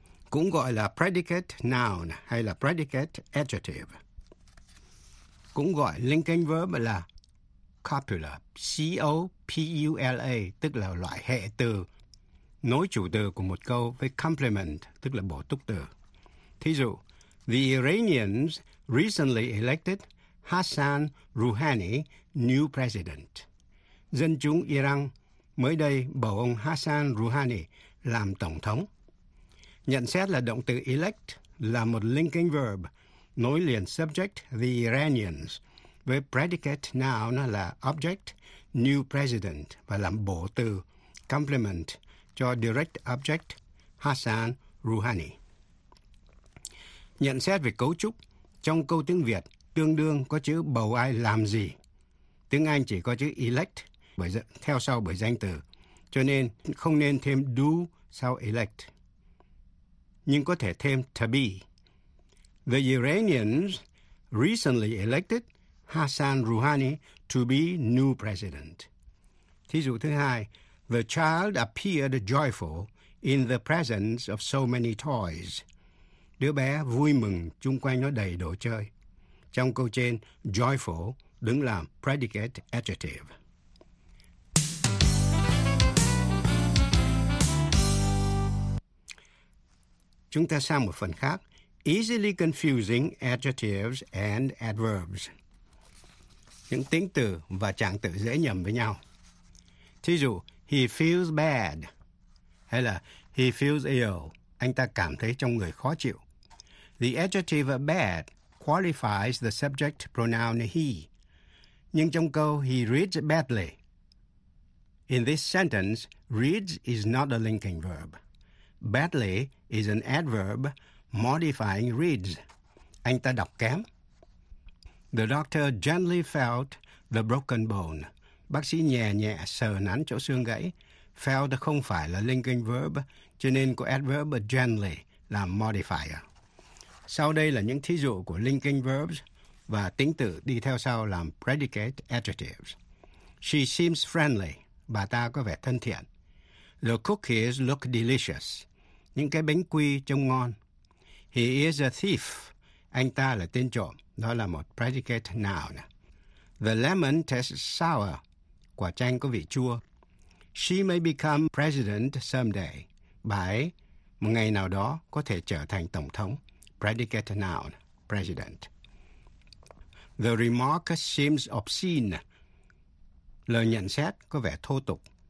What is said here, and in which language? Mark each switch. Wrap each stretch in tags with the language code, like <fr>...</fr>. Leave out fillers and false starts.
<vi>Cũng gọi là predicate noun hay là predicate adjective. Cũng gọi linking verb là copula, C-O-P-U-L-A, tức là loại hệ từ, nối chủ từ của một câu với complement, tức là bổ túc từ. Thí dụ,</vi> <en>the Iranians recently elected Hassan Rouhani new president.</en> <vi>Dân chúng Iran mới đây bầu ông Hassan Rouhani làm tổng thống. Nhận xét là động từ elect là một linking verb, nối liền subject the Iranians với predicate noun là object new president và làm bổ từ complement cho direct object Hassan Rouhani. Nhận xét về cấu trúc, trong câu tiếng Việt tương đương có chữ bầu ai làm gì. Tiếng Anh chỉ có chữ elect theo sau bởi danh từ, cho nên không nên thêm do sau elect. Nhưng có thể thêm to be.</vi> <en>The Iranians recently elected Hassan Rouhani to be new president.</en> <vi>Thí dụ thứ hai,</vi> <en>the child appeared joyful in the presence of so many toys.</en> <vi>Đứa bé vui mừng chung quanh nó đầy đồ chơi. Trong câu trên, joyful đứng làm predicate adjective. Chúng ta sang một phần khác,</vi> <en>easily confusing adjectives and adverbs.</en> <vi>Những tính từ và trạng từ dễ nhầm với nhau. Thí dụ,</vi> <en>he feels bad,</en> <vi>hay là</vi> <en>he feels ill,</en> <vi>anh ta cảm thấy trong người khó chịu.</vi> <en>The adjective bad qualifies the subject pronoun he.</en> <vi>Nhưng trong câu</vi> <en>he reads badly, in this sentence, reads is not a linking verb. Badly is an adverb modifying reads.</en> <vi>Anh ta đọc kém.</vi> <en>The doctor gently felt the broken bone.</en> <vi>Bác sĩ nhẹ nhẹ sờ nắn chỗ xương gãy. Felt không phải là linking verb, cho nên có adverb gently là modifier. Sau đây là những thí dụ của linking verbs và tính từ đi theo sau làm predicate adjectives.</vi> <en>She seems friendly.</en> <vi>Bà ta có vẻ thân thiện.</vi> <en>The cookies look delicious.</en> <vi>Những cái bánh quy trông ngon.</vi> <en>He is a thief.</en> <vi>Anh ta là tên trộm. Đó là một predicate noun.</vi> <en>The lemon tastes sour.</en> <vi>Quả chanh có vị chua.</vi> <en>She may become president someday.</en> <vi>Bà ấy, một ngày nào đó, có thể trở thành tổng thống.</vi> <en>Predicate noun, president. The remark seems obscene.</en> <vi>Lời nhận xét có vẻ thô tục.</vi>